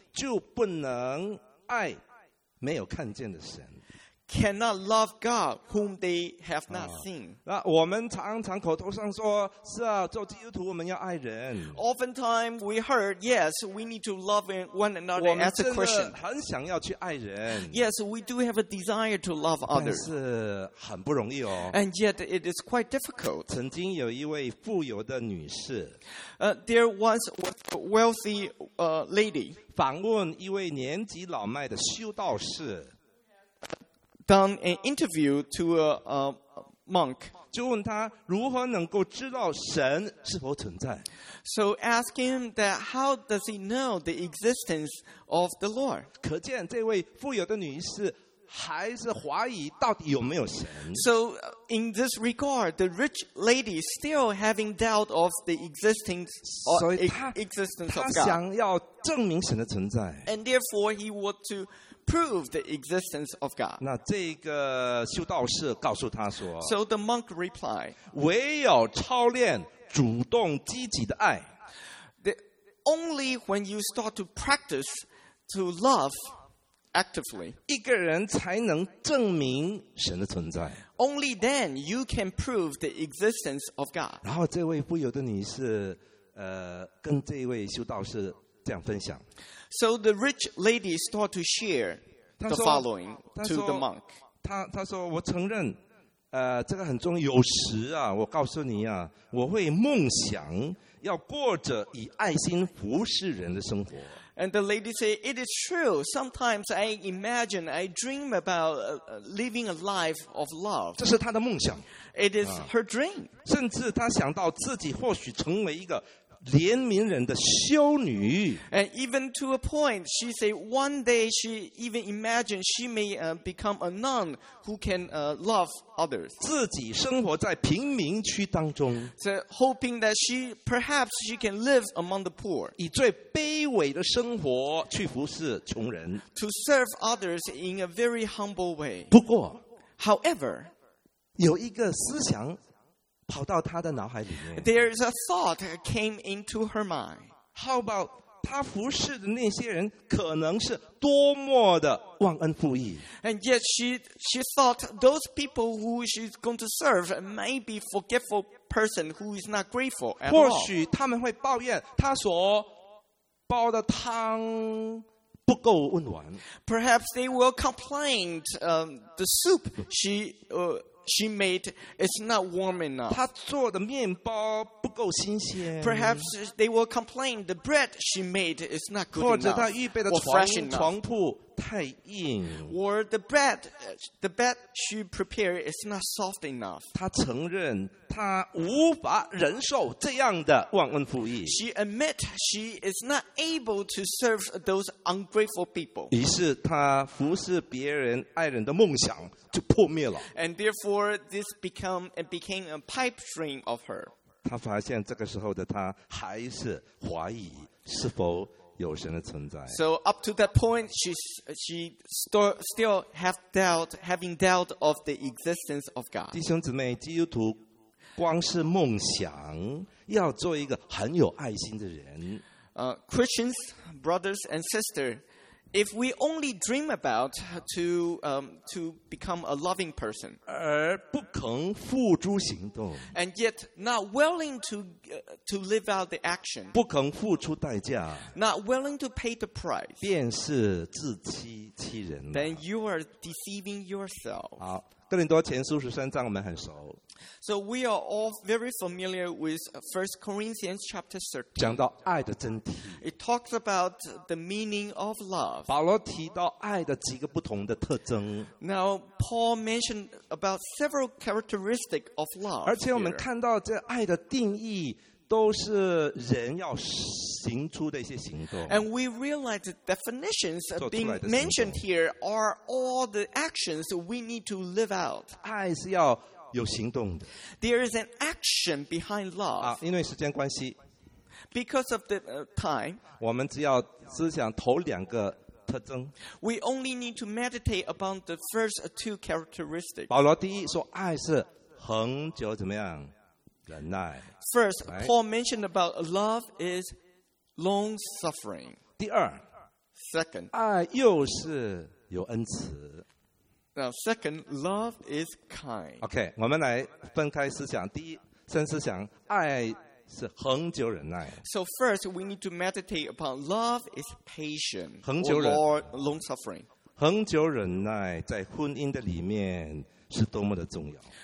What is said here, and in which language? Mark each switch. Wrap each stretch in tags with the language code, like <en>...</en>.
<zh>就不能爱没有看见的神。</zh> <en>Cannot love God whom they have not seen.</en> <zh>那我们常常口头上说是啊，做基督徒我们要爱人。</zh> <en>Oftentimes we heard, yes, we need to love one another as a Christian.</en> <zh>我们真的很想要去爱人。</zh> <en>Yes, we do have a desire to love others.</en> <zh>但是很不容易哦。</zh> <en>And yet it is quite difficult.</en> <zh>曾经有一位富有的女士。</zh> <en>There once was a wealthy lady.</en> <zh>访问一位年纪老迈的修道士。</zh> <en>Done an interview to a monk.</en> <zh>就问他如何能够知道神是否存在。</zh> <en>So ask him that how does he know the existence of the Lord?</en> <zh>可见这位富有的女士还是怀疑到底有没有神。</zh> <en>So in this regard, the rich lady still having doubt of the existence of God.</en> <zh>她想要证明神的存在。</zh> <en>And therefore he want to prove the existence of God.</en> <zh>那这个修道士告诉他说。</zh> <en>So the monk replied,</en> <zh>唯有操练主动积极的爱。</zh> <en>Only when you start to practice to love,Actively.</en> <zh>一个人才能证明神的存在。</zh> <en>Only then you can prove the existence of God.</en> <zh>然后这位富有的女士，跟这位修道士这样分享。</zh> <en>So the rich lady started to share the following to the monk.</en> <zh>她说：“我承认，这个很重要。有时啊，我告诉你啊，我会梦想要过着以爱心服侍人的生活。”</zh> <en>And the lady said, "It is true. Sometimes I imagine, I dream about living a life of love."</en> <zh>这是她的梦想。</zh> <en>It is her dream.</en> <zh>甚至她想到自己或许成为一个怜悯人的修女。</zh> <en>And even to a point, she said, one day she even imagined she may become a nun who can love others.</en> <zh>自己生活在贫民区当中。</zh> <en>So hoping that perhaps she can live among the poor.</en> <zh>以最卑微的生活去服侍穷人。</zh> <en>To serve others in a very humble way.</en> <zh>不过</zh> <en>,however,</en> <zh>有一个思想跑到他的脑海里面。</zh> <en>There is a thought that came into her mind. How about</en> <zh>他服侍的那些人可能是多么的忘恩负义。</zh> <en>And yet she thought those people who she's going to serve may be forgetful person who is not grateful at all.</en> <zh>或许他们会抱怨他所煲的汤不够温暖。</zh> <en>Perhaps they will complain the soup she made it's not warm enough.</en> <zh>她做的面包不够新鲜。</zh> <en>Perhaps they will complain the bread she made is not good enough.</en> <zh>或者她预备的床铺太硬。</zh> <en>Or the bed she prepared is not soft enough.</en> <zh>她承认她无法忍受这样的忘恩负义。</zh> <en>She admit she is not able to serve those ungrateful people.</en> <zh>于是她服侍别人爱人的梦想就破灭了。</zh> <en>And therefore this became a pipe dream of her.</en> <zh>她发现这个时候的她还是怀疑是否有神的存在。</zh> <en>So up to that point, she still having doubt of the existence of God.</en> <zh>弟兄姊妹，基督徒光是梦想要做一个很有爱心的人。</zh> <en>Christians, brothers and sisters, if we only dream about to become a loving person,</en> <zh>而不肯付诸行动</zh> <en>and yet not willing to live out the action,</en> <zh>不肯付出代价</zh> <en>not willing to pay the price,</en> <zh>便是自欺欺人</zh> <en>then you are deceiving yourself.</en> <zh>好，哥林多前书十三章我们很熟。</zh> <en>So we are all very familiar with 1 Corinthians chapter 13.</en> <zh>讲到爱的真谛。</zh> <en>It talks about the meaning of love.</en> <zh>保罗提到爱的几个不同的特征。</zh> <en>Now Paul mentioned about several characteristics of love.</en> <zh>而且我们看到这爱的定义都是人要行出的一些行动。</zh> <en>And we realize the definitions being mentioned here are all the actions we need to live out.</en> <zh>爱是要有行动的。</zh> <en>There is an action behind love.</en> <zh>因为时间关系。</zh> <en>Because of the time.</en> <zh>我们只要思想头两个特征。</zh> <en>We only need to meditate upon the first two characteristics.</en> <zh>保罗第一说爱是恒久怎么样？忍耐。</zh> <en>First, Paul mentioned about love is long suffering.</en> <zh>第二。</zh> <en>Second.</en> <zh>爱又是有恩慈。</zh> <en>Now, second, love is kind.</en> <zh>OK, 我们来分开思想。第一，先思想，爱是恒久忍耐。</zh> <en>So first, we need to meditate upon love is patient.</en> <zh>恒久忍</zh> <en>耐。Or long suffering.</en> <zh>恒久忍耐在婚姻的里面是多么的重要。</zh>